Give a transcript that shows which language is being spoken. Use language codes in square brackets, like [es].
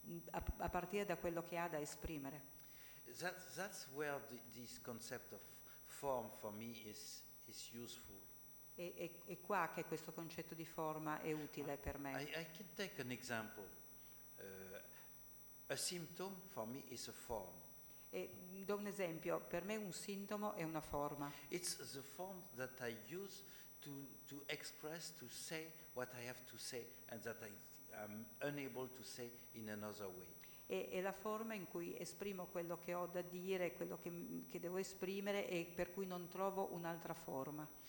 [it] A partire da quello che ha da esprimere. [en] That's where this concept of form for me is useful. [it] È qua che questo concetto di forma è utile per me. [en] I can take an example. A symptom for me is a form. [it] E do un esempio, per me un sintomo è una forma. [en] It's the form that I use to express, to say what I have to say and that I am unable to say in another way. [it] È la forma in cui esprimo quello che ho da dire, quello che devo esprimere e per cui non trovo un'altra forma.